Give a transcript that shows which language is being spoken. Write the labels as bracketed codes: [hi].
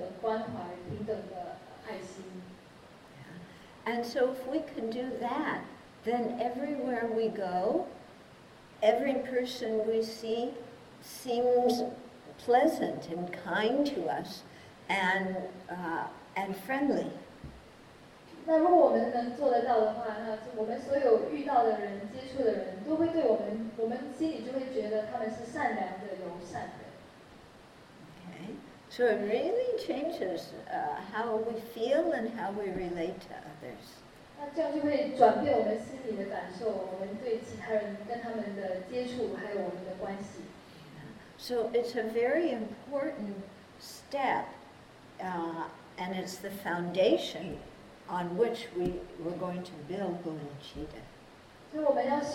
[zh] 因为我们是很刻意的这样去修我们的想法，去有开始对所有的人、所有的众生有这种平等的关怀、平等的爱心。 [en] And so if we can do that, then everywhere we go, every person we see seems pleasant and kind to us and friendly. [zh] 那如果我们能做得到的话，那我们所有遇到的人、接触的人都会对我们，我们心里就会觉得他们是善良的、友善的。 [en] Okay, so it really changes how we feel and how we relate to others. [zh] 那这样就会转变我们心里的感受，我们对其他人跟他们的接触，还有我们的关系。 [en] So it's a very important step, and it's the foundation on which we're going to build bodhicitta.